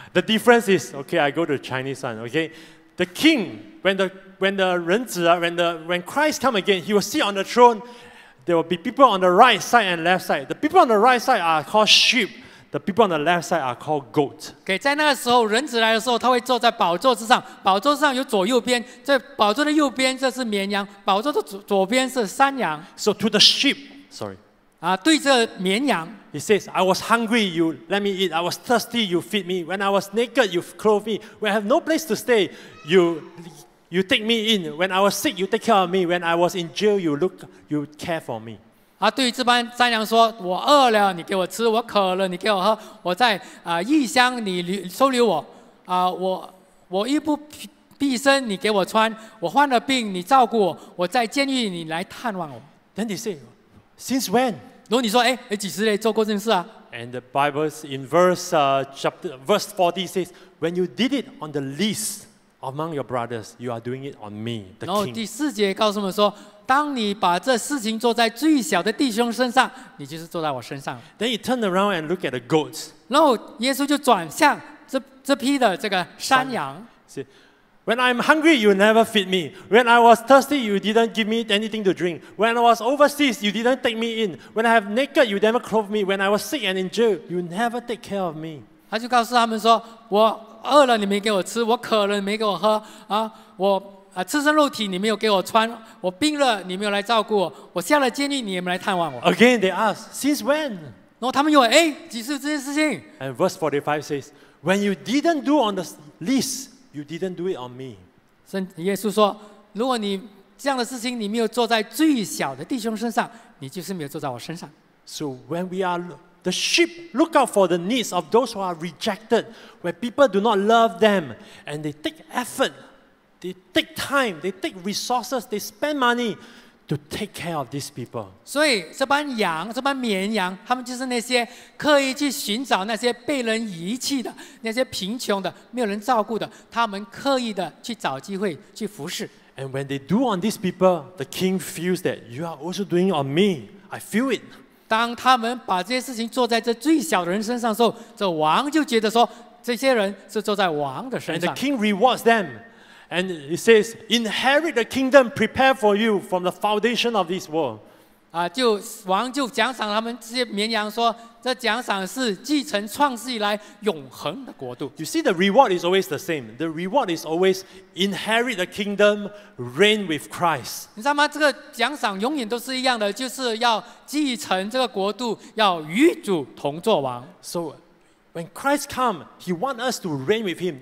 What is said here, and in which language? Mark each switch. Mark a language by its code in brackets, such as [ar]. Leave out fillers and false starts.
[en] The difference is, okay, I go to Chinese one, okay. The king, when the [zh] 人子啊 [en] when Christ come again, he will sit on the throne. There will be people on the right side and left side. The people on the right side are called sheep. The people on the left side are called goat. [zh] Okay, 在那个时候，人子来的时候，他会坐在宝座之上。宝座上有左右边，在宝座的右边这是绵羊，宝座的左边是山羊。 [en] So to the sheep, sorry. [zh] 啊，对着绵羊。 [en] He says, "I was hungry, you let me eat. I was thirsty, you feed me. When I was naked, you clothed me. When I have no place to stay, you take me in. When I was sick, you take care of me. When I was in jail, you care for me." [zh] 啊，对于这帮山羊说，我饿了，你给我吃；我渴了，你给我喝；我在异乡，你收留我；我衣不蔽身，你给我穿；我患了病，你照顾我；我在监狱，你来探望我。 [en] Then they say, "Since when?" [zh] 然后你说，哎，几时嘞？做过这件事啊？ [en] And the Bible in verse 40 says, "When you did it on the least." Among your brothers, you are doing it on me, the king. [zh] 然后第四节告诉我们说，当你把这事情做在最小的弟兄身上，你就是做在我身上。 [en] Then he turned around and looked at the goats. [zh] 然后耶稣就转向这批的这个山羊。 [en] When I'm hungry, you never feed me. When I was thirsty, you didn't give me anything to drink. When I was overseas, you didn't take me in. When I have naked, you never clothe me. When I was sick and in jail, you never take care of me. [zh] 他就告诉他们说，我饿了你没给我吃，我渴了你没给我喝啊！我啊，赤身肉体你没有给我穿，我病了你没有来照顾我，我下了监狱你也没来探望我。 [en] Again they ask, since when? [zh] 然后他们又问，哎，几时这件事情 [en] ？And verse 45 says, when you didn't do on the least, you didn't do it on me. [zh] 耶稣说，如果你这样的事情你没有做在最小的弟兄身上，你就是没有做在我身上。 [en] So when we are the sheep look out for the needs of those who are rejected, where people do not love them, and they take effort, they take time, they take resources, they spend money to take care of these people. [zh] 所以这班羊，这班绵羊，他们就是那些刻意去寻找那些被人遗弃的，那些贫穷的，没有人照顾的，他们刻意的去找机会去服侍。 [en] And when they do on these people, the king feels that you are also doing on me. I feel it. [zh] 当他们把这些事情做在这最小的人身上的时候，这王就觉得说，这些人是坐在王的身上。 [en] And the king rewards them, and he says, "Inherit the kingdom prepared for you from the foundation of this world." [zh] 啊，就王就奖赏他们这些绵羊说，这奖赏是继承创世以来永恒的国度。 [en] You see, the reward is always the same. The reward is always inherit the kingdom, reign with Christ. [zh] 你知道吗？这个奖赏永远都是一样的，就是要继承这个国度，要与主同作王。 [en] So, when Christ comes, He wants us to reign with Him.